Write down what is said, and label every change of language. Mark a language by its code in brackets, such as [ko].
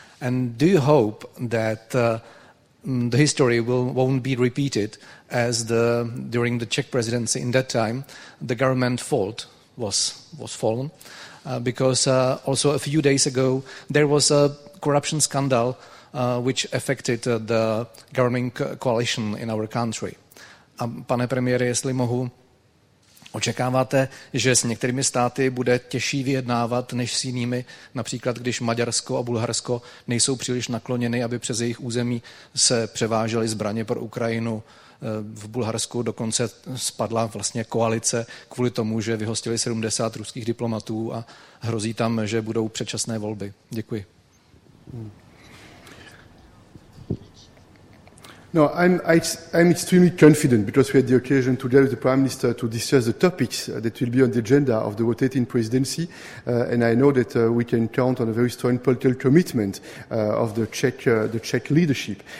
[en] And do you hope that the history won't be repeated as during the Czech presidency? In that time, the government fault was fallen, because also a few days ago there was a corruption scandal which affected the governing coalition in our country. [cs] A pane premiére, jestli mohu, očekáváte, že s některými státy bude těžší vyjednávat než s jinými, například když Maďarsko a Bulharsko nejsou příliš nakloněny, aby přes jejich území se převážely zbraně pro Ukrajinu? V Bulharsku dokonce spadla vlastně koalice kvůli tomu, že vyhostili 70 ruských diplomatů a hrozí tam, že budou předčasné volby. Děkuji. [en] No, I'm extremely confident, because we had the occasion together with the Prime Minister to discuss the topics that will be on the agenda of the rotating presidency, and I know that we can count on a very strong political commitment of the Czech leadership.